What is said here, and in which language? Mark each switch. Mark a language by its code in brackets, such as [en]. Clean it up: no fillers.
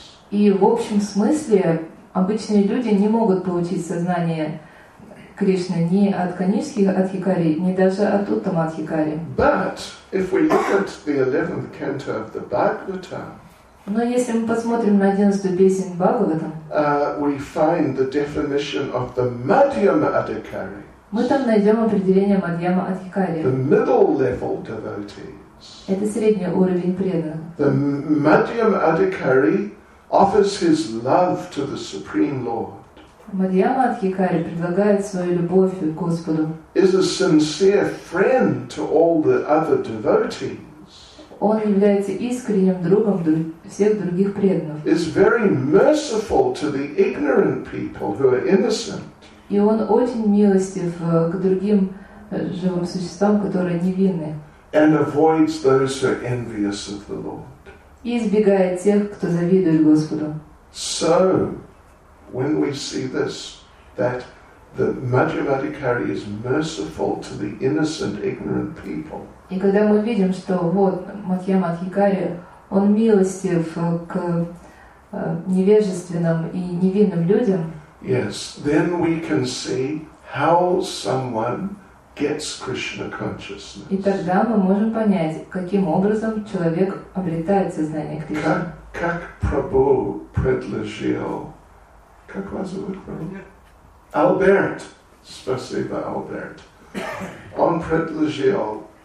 [ru] И в общем смысле обычные люди не могут получить сознание Кришны ни от Канишских Адхикари, ни даже от Уттама Адхикари. [en] But if we look at the 11th canto of the Bhagavatam, [ru] но если мы посмотрим на 11-ю песню Бхагаватам, [en] we find the definition of the Madhyama Adhikari. [ru] Мы там найдем определение Мадьяма Адхикари. [en] The middle level devotees. [ru] Это средний уровень преданных. [en] The Madhyama Adhikari offers his love to the Supreme Lord. [ru] Мадьяма Адхикари предлагает свою любовь Господу. [en] Is a sincere friend to all the other devotees. [ru] Он является искренним другом всех других преданных. [en] Is very merciful to the ignorant people who are innocent. [ru] И он очень милостив к другим живым существам, которые невинны. [en] And avoids those who are envious of the Lord. [ru] И избегает тех, кто завидует Господу. [en] So, when we see this, that the Madhyama Adhikari is merciful to the innocent, ignorant people. [ru] И когда мы видим, что вот Мадхьяма Адхикари, он милостив к невежественным и невинным людям. [en] Yes, then we can see how someone gets Krishna consciousness. [ru] И тогда мы можем понять, каким образом человек обретает сознание Кришны. Как Прабху предложил. Как вас зовут, Прабху? Альберт. Спасибо, Альберт. Он предложил.